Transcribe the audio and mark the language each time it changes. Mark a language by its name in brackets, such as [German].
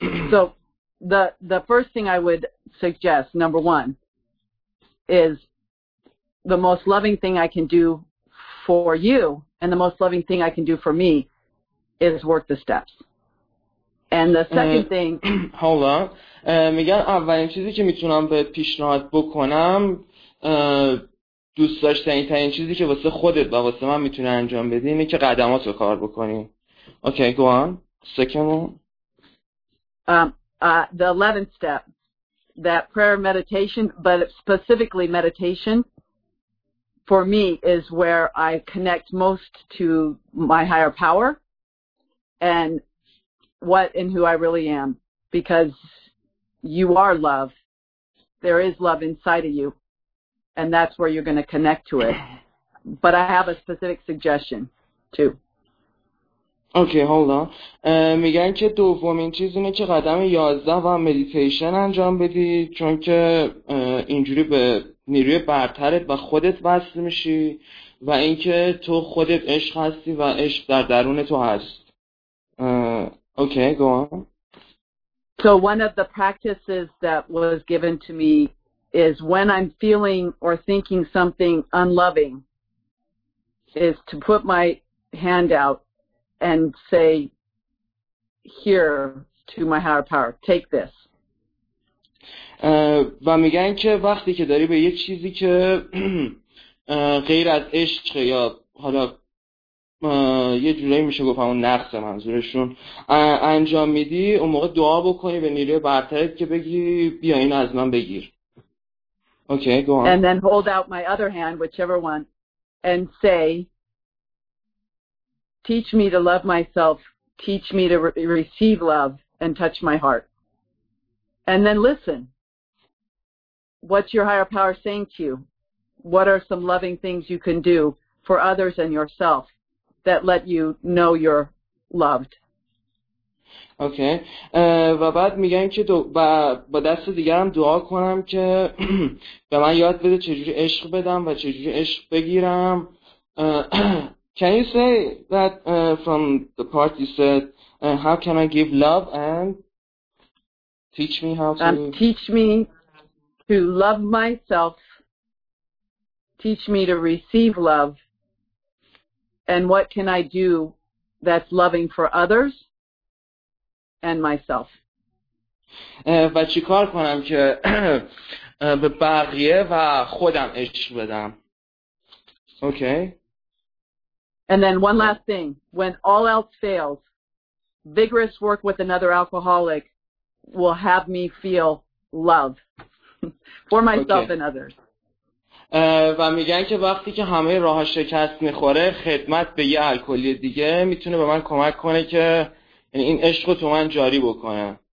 [English] So the first thing I would suggest, number one, is the most loving thing I can do for you and the most loving thing I can do for me is work the steps. And the second thing, hold on. [Persian] میگن اولین چیزی که میتونم بهت پیشنهاد بکنم دوست داشتنی ترین چیزی که واسه خودت و واسه من میتونه انجام بده اینه که قدمات رو کار بکنی. [English] Okay go on سکمون. The 11th step, that prayer meditation, but specifically meditation, for me is where I connect most to my higher power and what and who I really am, because you are love. There is love inside of you, and that's where you're going to connect to it. But I have a specific suggestion, too. Okay hold on. [Persian] میگن که دومین چیز اینه که قدم 11 و مدیتیشن انجام بدی، چون که اینجوری به نیروی برترت و خودت وصل میشی و اینکه تو خودت عشق هستی و عشق در درون تو هست. [English] Okay go on. So one of the practices that was given to me is when I'm feeling or thinking something unloving is to put my hand out and say, here to my higher power, take this. [Persian] و میگن که وقتی که داری به یه چیزی که غیر از عشق یا حالا یه جورایی میشه گفت همون نقص منظورشون انجام میدی، اون موقع دعا بکنی به نیروی برترت که بگی بیا این از من بگیر. [English] Okay, go on. And then hold out my other hand, whichever one, and say, teach me to love myself, teach me to receive love and touch my heart. And then listen. What's your higher power saying to you? What are some loving things you can do for others and yourself that let you know you're loved? Okay. [Persian] و بعد میگن که با دست دیگرم دعا کنم که به من یاد بده چجوری عشق بدم و چجوری عشق بگیرم. [English] Can you say that from the part you said, how can I give love and teach me how to... Teach me to love myself, teach me to receive love, and what can I do that's loving for others and myself. [Persian] و چی کار کنم که به بقیه و خودم عشق بدم. [English] Okay. And then one last thing, when all else fails, vigorous work with another alcoholic will have me feel love for myself okay. and others. [Persian] و میگن که وقتی که همه راه شکست میخوره، خدمت به یه الکلی دیگه میتونه به من کمک کنه که این عشق رو تو من جاری بکنه.